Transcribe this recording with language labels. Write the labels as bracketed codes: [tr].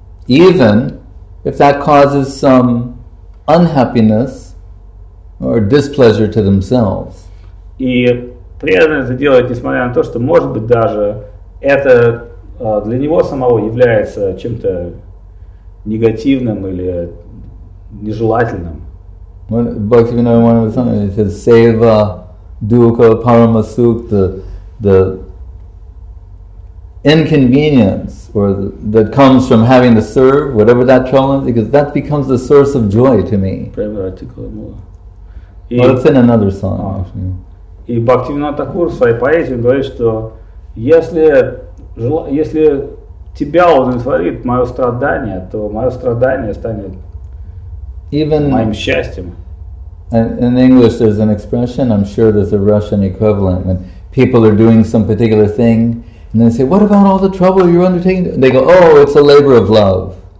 [en] Even if that causes some unhappiness or displeasure to themselves. [ru] И преданный это делает, несмотря на то, что может быть даже это для него самого является чем-то негативным или нежелательным. [en] Бхактивинода, one of the songs, it says, Seva, Dukha, Paramasukha, the inconvenience or that comes from having to serve, whatever that trouble is, because that becomes the source of joy to me. Well, it's in another song, actually. [ru] И Бхактивинода Такур в своей поэзии говорит, что если тебя удовлетворит мое страдание, то мое страдание станет моим счастьем. [en] In English there's an expression, I'm sure there's a Russian equivalent, when people are doing some particular thing and they say, what about all the trouble you're undertaking? They go, oh, it's a labor of love.